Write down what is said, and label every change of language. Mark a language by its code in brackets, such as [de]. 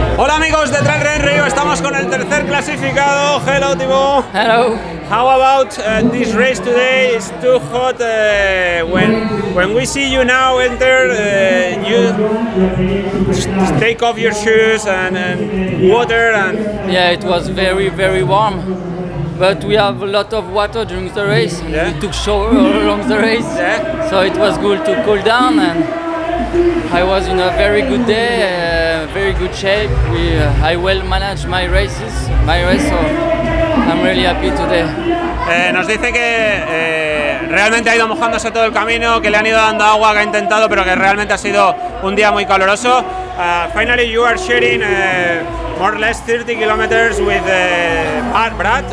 [es] amigos de Trail Run Rio, estamos con el tercer clasificado. [en] Hello, Timo. Hello. How about this race today? It's too hot. When we see you now enter, you take off your shoes and water and... Yeah, it was very, very warm. But we have a lot of water during the race. Yeah. We took shower along the race. Yeah. So it was good to cool down. And I was in a very good day, very good shape. I well managed my race, so I'm really happy today. [es] Nos dice que realmente ha ido mojándose todo el camino, que le han ido dando agua, que ha intentado, pero que realmente ha sido un día muy caluroso. [en] Finally, you are sharing more or less 30 kilometers with Brad.